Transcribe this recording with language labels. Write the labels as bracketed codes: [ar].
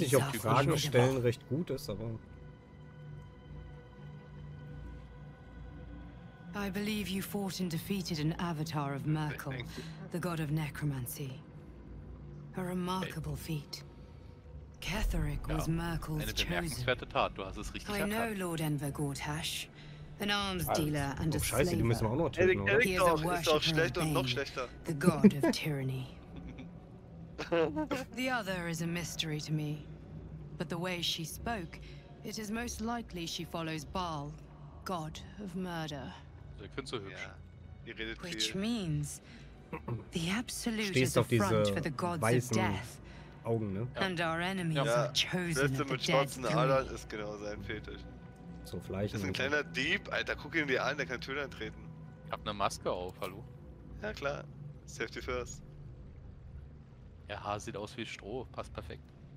[de] Weiß nicht, ob die Frage stellen recht gut ist, aber. [en] I believe you fought and defeated an avatar of Merkel, the god of necromancy. A remarkable feat. Ketherick was Merkel's chosen. [de] Eine bemerkenswerte Tat, du hast es richtig erkannt. [en] I know Lord Enver Gordhash, an arms dealer and a slaver. [de] Oh scheiße, die müssen wir auch noch töten, oder? Erik ist auch schlecht und noch schlechter. [en] The god of tyranny. The other is a mystery to me. But the way she spoke, it is most likely she follows Baal, god of murder. [de] Ja, [en] which means the absolute is the front for the gods of death. [de] Augen, ne? [en] And our enemies are chosen at the death. [de] Ja, mit schwarzen Adern ist genau sein Fetisch. So vielleicht. Ist ein kleiner Dieb, Alter. Guck ihn dir an, der kann Türen eintreten. Ich hab eine Maske auf, hallo. Ja klar, safety first. Ja, Haar sieht aus wie Stroh, passt perfekt.